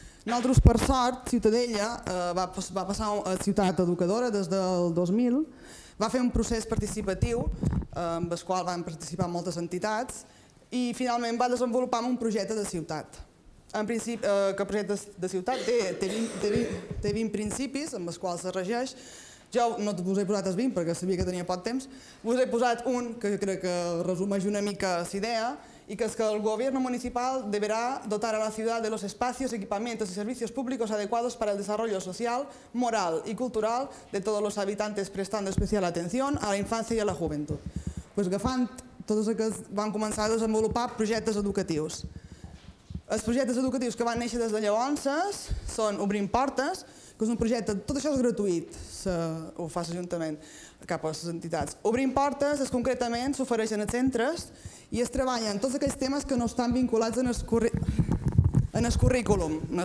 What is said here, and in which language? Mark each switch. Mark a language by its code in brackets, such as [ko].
[ca] Nosaltres, per sort, Ciutadella va passar a Ciutat Educadora des del 2000, va fer un procés participatiu amb el qual van participar moltes entitats i finalment va desenvolupar un projecte de ciutat. En principi, que el projecte de ciutat té 20 principis amb els quals es regeix. Jo no us he posat els 20 perquè sabia que tenia poc temps. Us he posat un que crec que resumeix una mica la idea i que és que el govern municipal deberà dotar a la ciutat [es] de los espacios, equipamientos y servicios públicos adecuados para el desarrollo social, moral y cultural de todos los habitantes prestando especial atención a la infancia y a la juventud. [ca] Pues agafant tots els que van començar a desenvolupar projectes educatius. Els projectes educatius que van néixer des de llavors són Obrim Portes, que és un projecte, tot això és gratuït, ho fa l'Ajuntament cap a les entitats. Obrim Portes és concretament, s'ofereixen als centres i es treballen tots aquells temes que no estan vinculats en el currículum.